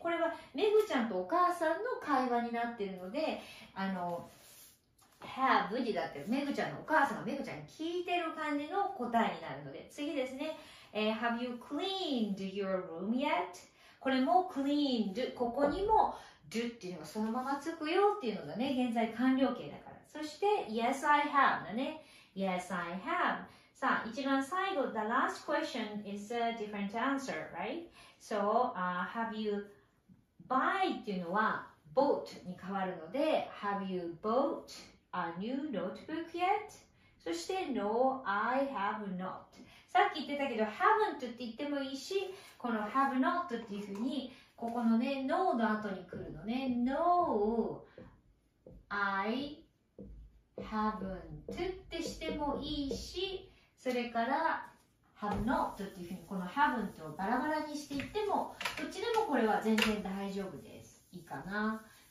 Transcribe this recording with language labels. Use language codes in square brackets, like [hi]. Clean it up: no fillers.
[ja] これはメグちゃんとお母さんの会話になってるので、have になってる。メグちゃんのお母さんがメグちゃんに聞いてる感じの答えになるので。次ですね。 [en] Have you cleaned your room yet? [ja] これもクイーン、ドゥ、ここにもドゥっていうのがそのままつくよっていうのがね、現在完了形だから。 [en] そして、Yes, I have だね。 Yes, I have。 [ja] さあ、一番最後、 [en] The last question is a different answer, right? So,、have you buy [ja] っていうのは [en] bought [ja] に変わるので、 [en] Have you bought a new notebook yet? そして、No, I have not。 [ja] さっき言ってたけど、haven't って言ってもいいし、この have not っていうふうに、ここのね、no の後に来るのね。 [en] No, I haven't [ja] ってしてもいいし、それから have not っていうふうに、この haven't をバラバラにしていっても、どっちでもこれは全然大丈夫です。いいかな。